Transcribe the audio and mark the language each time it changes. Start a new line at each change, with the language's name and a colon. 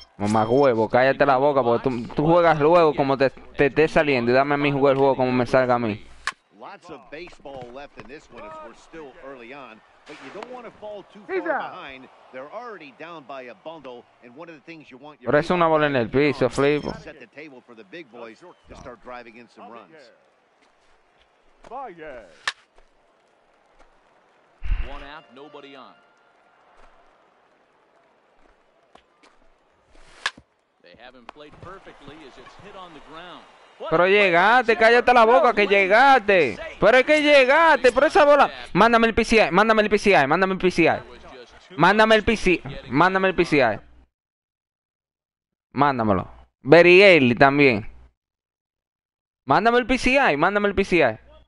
Spanish: Mamá huevo, cállate la boca, porque tú juegas luego como te esté saliendo. Y dame a mí jugar el juego como me salga a mí.
English: Lots of baseball left in this one as we're still early on, but you don't want to fall too far behind. They're already down by a bundle, and one of the things you want.
Spanish: Pero es una bola en el piso, flipo.
English: Set the table for the big boys to start driving in some runs. Bye. One out, nobody on. They haven't played perfectly as it's hit on the ground.
Spanish: Pero llegaste, cállate la boca, que llegaste. Pero es que llegaste, por esa bola. Mándame el PCI, mándame el PCI, mándame el PCI. Mándame el PCI, mándame el PCI. Mándamelo.
English: Very early
Spanish: también. Mándame el PCI, mándame el PCI.